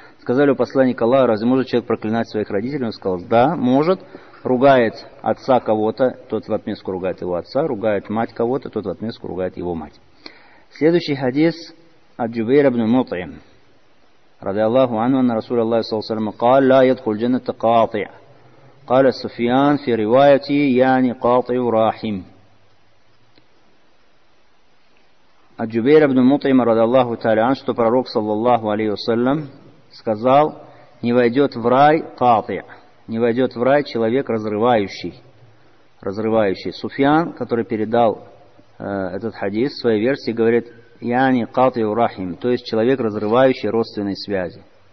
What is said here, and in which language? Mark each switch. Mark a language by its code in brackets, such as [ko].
[ru] Сказали у посланника Аллаха, разве может человек проклинать своих родителей? Он сказал, да, может. Ругает отца кого-то, тот в отместку ругает его отца. Ругает мать кого-то, тот в отместку ругает его мать. Следующий хадис от Джубейра ибн Мут'им. [ar] Ради Аллаху анну анна Расуля Аллаху салаллаху алейхи ва саллям قال لا يدخل جنة قاطع قال السفيان في روايتي يعني قاطع رحم. [ru] От Джубейра ибн Мут'им ради Аллаху тааля анну, что пророк саллаллаху алейхи ва саллям сказал, не войдет в рай قاطع. Не войдет в рай человек разрывающий. Разрывающий. Суфьян, который передал этот хадис в своей версии, говорит «Яни каты урахим», то есть человек, разрывающий родственные связи.